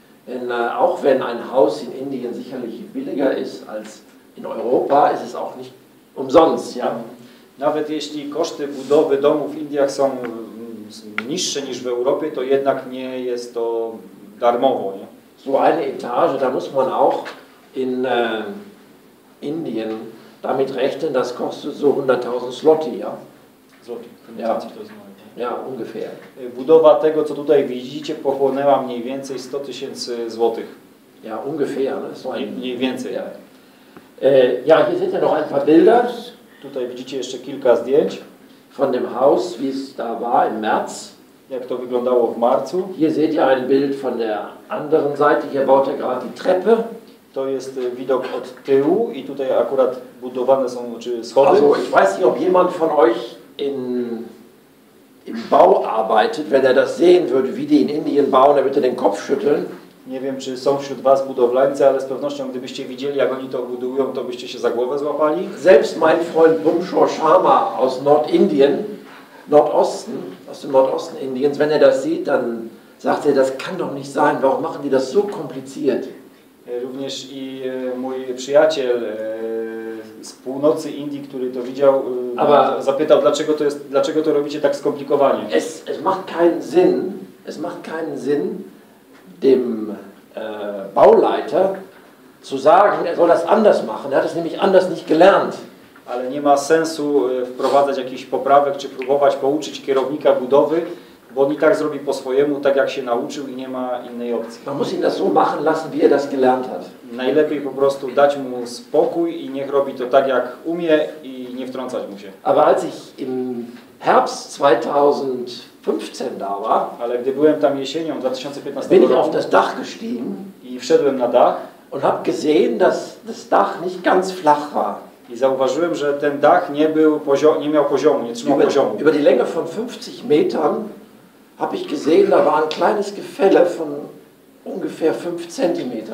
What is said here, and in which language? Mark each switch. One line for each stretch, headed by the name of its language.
German: Denn auch wenn ein Haus in Indien sicherlich billiger ist als in Europa, ist es auch nicht umsonst, ja?
Polish: Nawet jeśli koszty budowy domu w Indiach są niższe niż w Europie, to jednak nie jest to darmowo, nie?
German: So eine Etage, da muss man auch in Indien damit rechnen, das kostet so 100.000 Zloty, ja? Zloty, 50.000 Zloty. Ja, ungefähr.
Polish: Budowa tego, co tutaj widzicie, pochłonęła mniej więcej 100 tysięcy złotych.
German: Ja, ungefähr.
Polish: Mniej więcej.
German: Ja, ja, hier seht ihr noch ein paar Bilder.
Polish: Tutaj widzicie jeszcze kilka zdjęć.
German: Von dem Haus, wie es da war im März.
Polish: Jak to wyglądało w marcu.
German: Hier seht ihr ein Bild von der anderen Seite. Hier baut er gerade die Treppe.
Polish: To jest widok od tyłu i tutaj akurat budowane są, czy schody.
German: Also, ich weiß nicht, ob jemand von euch in im Bau arbeitet, wenn er das sehen würde, wie die in Indien bauen, er würde den Kopf schütteln.
Polish: Nie wiem, czy są wśród was budowlańcy, ale z pewnością, gdybyście widzieli, jak oni to budują, to byście się za głowę złapali.
German: Selbst mein Freund Bumshaw Sharma aus Nordindien, Nordosten, aus dem Nordosten Indiens, wenn er das sieht, dann sagt er, das kann doch nicht sein, warum machen die das so kompliziert?
Polish: Również i mój przyjaciel z północy Indii, który to widział, zapytał, dlaczego to robicie tak skomplikowanie.
German: Es macht keinen Sinn, es macht keinen Sinn, dem Bauleiter zu sagen, er soll das anders machen, er hat es nämlich anders nicht gelernt.
Polish: Ale nie ma sensu wprowadzać jakichś poprawek, czy próbować pouczyć kierownika budowy, bo on i tak zrobi po swojemu, tak jak się nauczył i nie ma innej opcji.
German: Man muss ihn das so machen lassen, wie er das gelernt hat.
Polish: Najlepiej po prostu dać mu spokój i niech robi to tak, jak umie i nie wtrącać mu się.
German: Aber als ich im Herbst 2015 da war,
Polish: ale gdy byłem tam jesienią 2015 roku,
German: bin ich auf das Dach gestiegen
Polish: i wszedłem na dach
German: und hab gesehen, dass das Dach nicht ganz flach war.
Polish: I zauważyłem, że ten dach nie był nie miał poziomu, nie trzymał poziomu.
German: Über die Länge von 50 Metern habe ich gesehen, da war ein kleines Gefälle von ungefähr 5 cm.